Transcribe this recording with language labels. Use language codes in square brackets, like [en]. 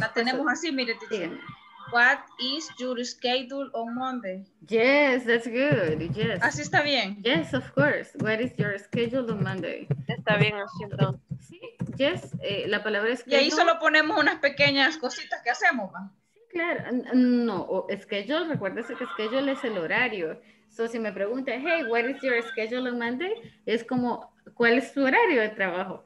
[es] la tenemos así, mire, teacher. Sí. [en] What is your schedule on Monday? Yes, that's good. Yes. [es] Así está bien. [en] Yes, of course. What is your schedule on Monday? [es] Está bien, así entonces. Sí, yes. La palabra es schedule. Y ahí solo ponemos unas pequeñas cositas que hacemos, ¿va? Sí, claro. No, schedule, recuérdese que schedule es el horario. [en] So, [es] si me pregunta, [en] hey, what is your schedule on Monday? [es] Es como, ¿cuál es tu horario de trabajo?